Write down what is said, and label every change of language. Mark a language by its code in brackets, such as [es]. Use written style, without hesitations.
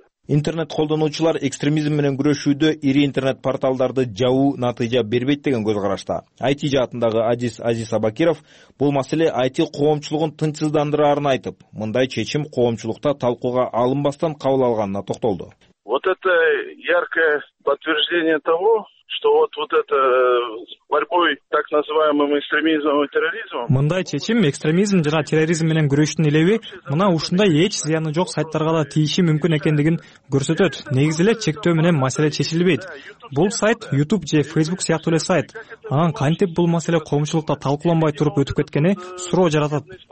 [ky] Интернет колдонуучулар экстремизм менен күрөшүүдө ири интернет порталдарды жабуу натыйжа бербейт деген көз карашта. IT жаатындагы Азиз Абакиров бул маселе IT коомчулугун тынчсыздандыраарын айтып, мындай чечим коомчулукта талкууга алынбастан кабыл алынганына токтолду. [ru] Вот это яркое подтверждение того, что вот это борьбой так называемым экстремизмом и терроризмом. [ky] Мындай чечим экстремизм жана терроризм менен күрөштүн элеви мына ушундай эч зыяны жок сайттарга да тийиши мүмкүн экендигин көрсөтөт. Негизи эле чектөө менен маселе чечилбейт. Бул сайт YouTube же Facebook сыяктуу эле сайт. Анан кантип бул маселе коомчулукта талкууланбай туруп өтүп кеткени суроо жаратат.